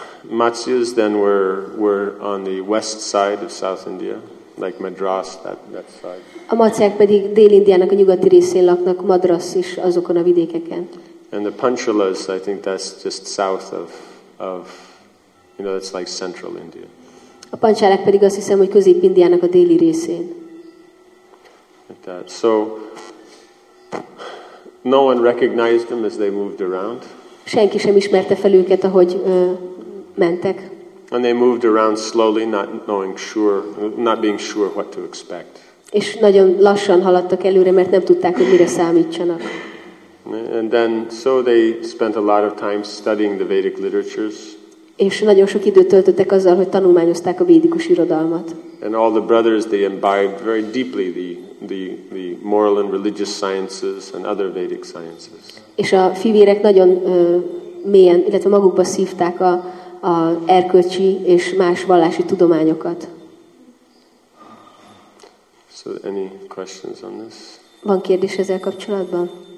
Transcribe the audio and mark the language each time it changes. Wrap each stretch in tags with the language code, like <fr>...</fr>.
<en>Matsyas then were on the west side of South India, like Madras, that side.</en> <hu>A Matsyák pedig Dél-Indiának a nyugati részén laknak, Madras is azokon a vidékeken.</hu> <en>And the Panchalas, I think that's just south of, you know, that's like central India.</en> <hu>A Panchalák pedig azt hiszem, hogy Közép-Indiának a déli részén.</hu> <en>Like that. So, No one recognized them as they moved around.</en> <hu>Senki sem ismerte fel őket, ahogy mentek.</hu> <en>And they moved around slowly, not being sure what to expect.</en> <hu>És nagyon lassan haladtak előre, mert nem tudták, hogy mire számítsanak.</hu> <en>And then so they spent a lot of time studying the Vedic literatures.</en> <hu>És nagyon sok időt töltöttek azzal, hogy tanulmányozták a védikus irodalmat.</hu> <en>And all the brothers, they imbibed very deeply the moral and religious sciences and other Vedic sciences.</en> <hu>És a fivérek nagyon mélyen, illetve magukba szívták a erkölcsi és más vallási tudományokat.</hu> <en>So any questions on this?</en> <hu>Van kérdés ezzel kapcsolatban?</hu>